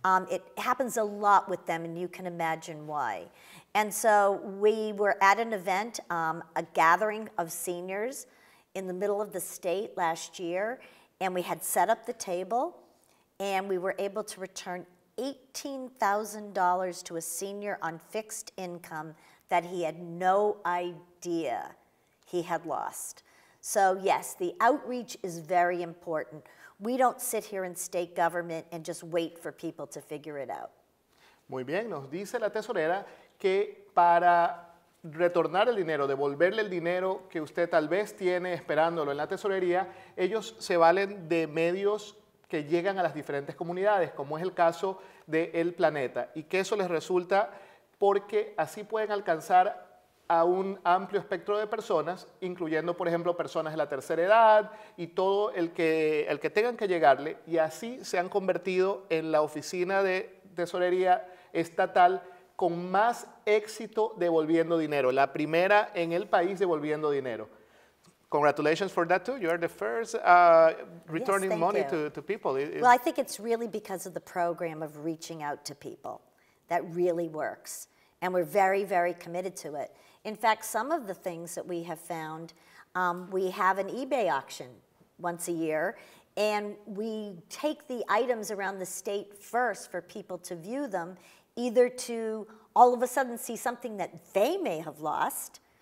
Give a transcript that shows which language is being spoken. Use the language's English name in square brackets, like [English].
[English] It happens a lot with them, and you can imagine why. And so we were at an event, a gathering of seniors in the middle of the state last year, and we had set up the table, and we were able to return $18,000 to a senior on fixed income that he had no idea he had lost. So yes, the outreach is very important. We don't sit here in state government and just wait for people to figure it out. [Spanish] Muy bien, nos dice la tesorera que para retornar el dinero, devolverle el dinero que usted tal vez tiene esperándolo en la tesorería, ellos se valen de medios que llegan a las diferentes comunidades, como es el caso de El Planeta, y que eso les resulta porque así pueden alcanzar a un amplio espectro de personas, incluyendo, por ejemplo, personas de la tercera edad y todo el que tengan que llegarle, y así se han convertido en la oficina de tesorería estatal con más éxito devolviendo dinero, la primera en el país devolviendo dinero. [English] Congratulations for that too. You are the first returning money to people. Well, I think it's really because of the program of reaching out to people that really works. And we're very, very committed to it. In fact, some of the things that we have found, we have an eBay auction once a year, and we take the items around the state first for people to view them, either to all of a sudden see something that they may have lost.